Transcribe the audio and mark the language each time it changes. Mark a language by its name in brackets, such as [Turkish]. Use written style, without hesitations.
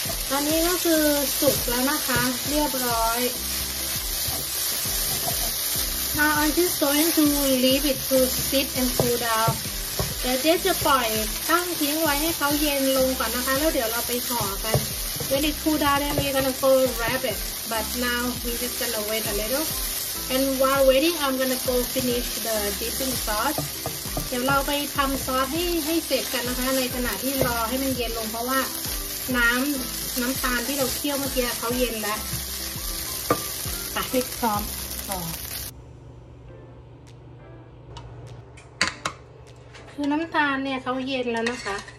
[Thai] ตอนนี้ก็คือสุกแล้วนะคะเรียบร้อย [English] Now I'm just going to leave it to sit and cool down. [Thai] แต่เจ๊จะปล่อยตั้งทิ้งไว้ให้เขาเย็นลงก่อนนะคะแล้วเดี๋ยวเราไปห่อกัน [English] When it cool down, then we're gonna go wrap it. But now we're just gonna wait a little. And while waiting, I'm gonna go finish the dipping sauce. [Thai] เดี๋ยวเราไปทำซอสให้เสร็จกันนะคะในขณะที่รอให้มันเย็นลงเพราะว่าน้ำตาลที่เราเคี่ยวเมื่อกี้เขาเย็นแล้วปะให้พร้อมซอสคือน้ำตาลเนี่ยเขาเย็นแล้วนะคะ